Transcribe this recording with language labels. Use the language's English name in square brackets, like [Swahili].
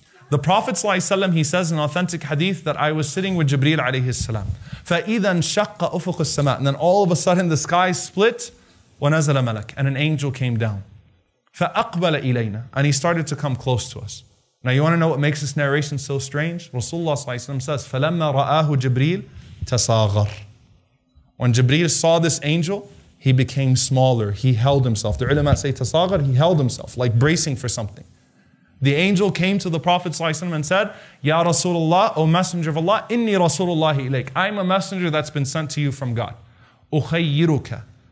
[English] The Prophet ﷺ, he says in authentic hadith that I was sitting with Jibreel alayhi salam. [Arabic] فَإِذَا انْشَقَّ أُفُقُ السَّمَاءِ. [English] And then all of a sudden the sky split. [Arabic] وَنَزَلَ مَلَكٌ. [English] And an angel came down. [Arabic] فَأَقْبَلَ إِلَيْنَا. [English] And he started to come close to us. Now you want to know what makes this narration so strange? Rasulullah ﷺ says, [Arabic] فَلَمَّا رَآهُ جِبْرِيلُ تَصَاغَرْ. [English] When Jibreel saw this angel, he became smaller. He held himself. The ulama say tasagar, he held himself, like bracing for something. The angel came to the Prophet ﷺ and said, Ya Rasulullah, O Messenger of Allah, [Arabic] inni Rasulullahi ilayk. [English] I'm a messenger that's been sent to you from God. [Arabic] Ukhayyiruka.